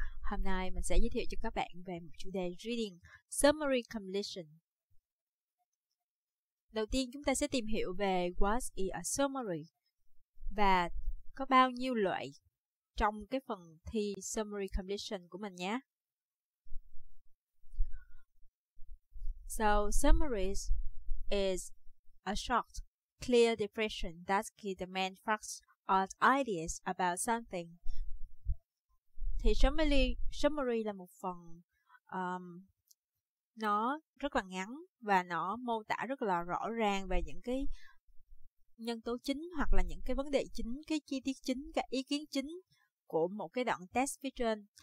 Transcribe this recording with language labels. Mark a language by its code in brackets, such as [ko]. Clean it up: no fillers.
[vi] Hôm nay mình sẽ giới thiệu cho các bạn về một chủ đề Reading Summary Completion. Đầu tiên chúng ta sẽ tìm hiểu về [en] What is a Summary [vi] và có bao nhiêu loại trong cái phần thi Summary Completion của mình nhé. [en] So, summaries is a short, clear definition that gives the main facts or ideas about something. [vi] Thì summary là một phần nó rất là ngắn và nó mô tả rất là rõ ràng về những cái nhân tố chính hoặc là những cái vấn đề chính, cái chi tiết chính, cái ý kiến chính của một cái đoạn test phía trên.